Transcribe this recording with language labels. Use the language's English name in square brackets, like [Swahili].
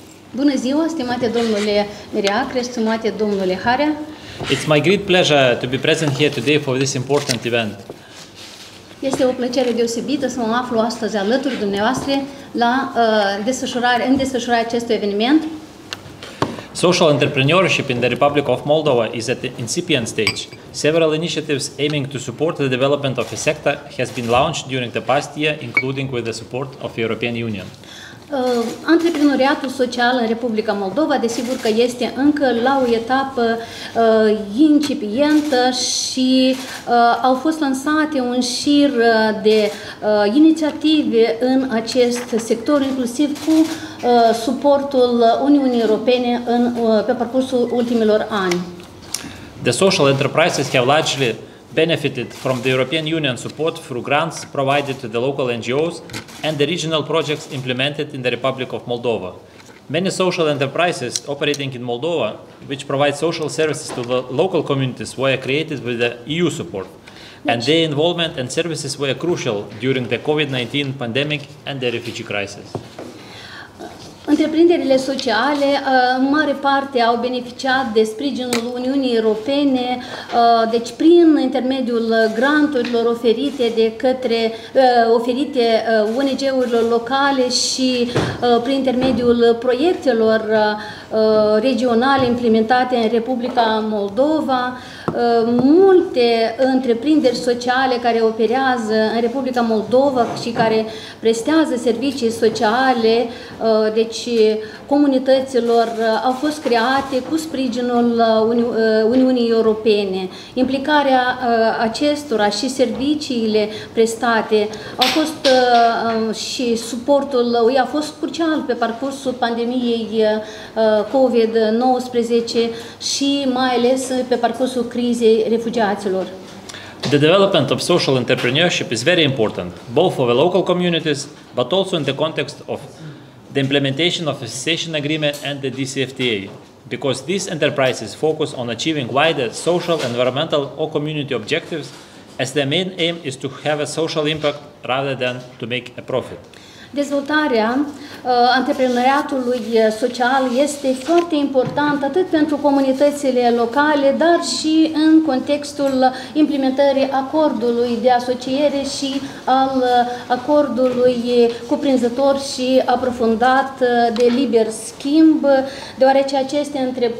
[Romanian] Bună ziua, stimate domnule Mereacă, stimate domnule Harea. [English] It's my great pleasure to be present here today for this important event. [Romanian] Este o plăcere deosebită să mă aflu astăzi alături dumneavoastră la desfășurarea acestui eveniment. [English] Social entrepreneurship in the Republic of Moldova is at the incipient stage. Several initiatives aiming to support the development of the sector has been launched during the past year, including with the support of the European Union. [Romanian] Antreprenoriatul social în Republica Moldova, desigur că este încă la o etapă incipientă și au fost lansate un șir de inițiative în acest sector, inclusiv cu suportul Uniunii Europene în, pe parcursul ultimilor ani. [English] The social enterprises have largely benefited from the European Union support through grants provided to the local NGOs and the regional projects implemented in the Republic of Moldova. Many social enterprises operating in Moldova, which provide social services to the local communities, were created with the EU support, and their involvement and services were crucial during the COVID-19 pandemic and the refugee crisis. [Romanian] Întreprinderile sociale, în mare parte, au beneficiat de sprijinul Uniunii Europene, deci prin intermediul granturilor oferite de către oferite ONG-urilor locale și prin intermediul proiectelor regionale implementate în Republica Moldova. Multe întreprinderi sociale care operează în Republica Moldova și care prestează servicii sociale, deci comunităților, au fost create cu sprijinul Uniunii Europene. Implicarea acestora și serviciile prestate au fost și suportul i-a fost crucial pe parcursul pandemiei COVID-19 și mai ales pe parcursul crizei refugiaților. [English] The development of social entrepreneurship is very important, both for the local communities, but also in the context of the implementation of the association agreement and the DCFTA, because these enterprises focus on achieving wider social, environmental or community objectives, as their main aim is to have a social impact rather than to make a profit. [Romanian] Dezvoltarea antreprenoriatului social este foarte importantă atât pentru comunitățile locale, dar și în contextul implementării acordului de asociere și al acordului cuprinzător și aprofundat de liber schimb, deoarece aceste